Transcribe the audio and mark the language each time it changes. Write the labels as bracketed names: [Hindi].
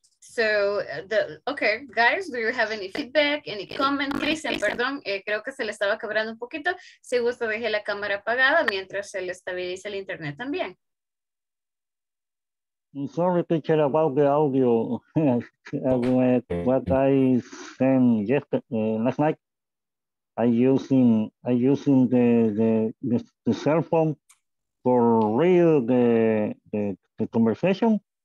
[English] So, okay, guys, do you have any feedback, any comment? [Spanish] Cristian, perdón, creo que se le estaba quebrando un poquito. Si gusta, deje la cámara apagada mientras se le estabiliza el internet también. [English] I'm sorry, teacher, about the audio. What I sent last night, I using the cell phone for real the conversation.